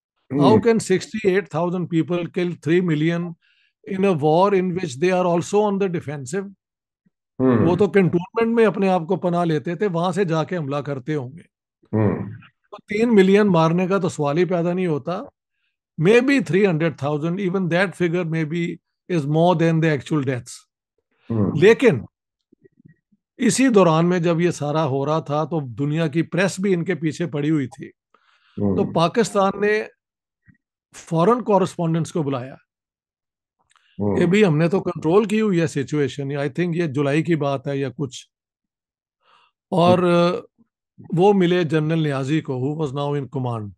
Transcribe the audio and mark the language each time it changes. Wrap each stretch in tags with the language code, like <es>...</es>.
<en>How can 68,000 people kill 3 million in a war in which they are also on the defensive?</en> <ur>وہ تو cantonment میں اپنے آپ کو پناہ لیتے تھے, وہاں سے جا کے حملہ کرتے ہوں گے. تو 3 million مارنے کا تو سوال ہی پیدا نہیں ہوتا.</ur> <en>Maybe 300,000, even that figure may be is more than the actual deaths.</en> <ur>لیکن اسی دوران میں جب یہ سارا ہو رہا تھا, تو دنیا کی پریس بھی ان کے پیچھے پڑی ہوئی تھی, تو پاکستان نے فورن کورسپونڈنٹس کو بلایا کہ بھائی ہم نے تو کنٹرول کی ہوئی ہے سچویشن,</ur> <en>I think</en> <ur>یہ جولائی کی بات ہے یا کچھ, اور وہ ملے جنرل نیازی کو,</ur> <en>Who was now in command.</en>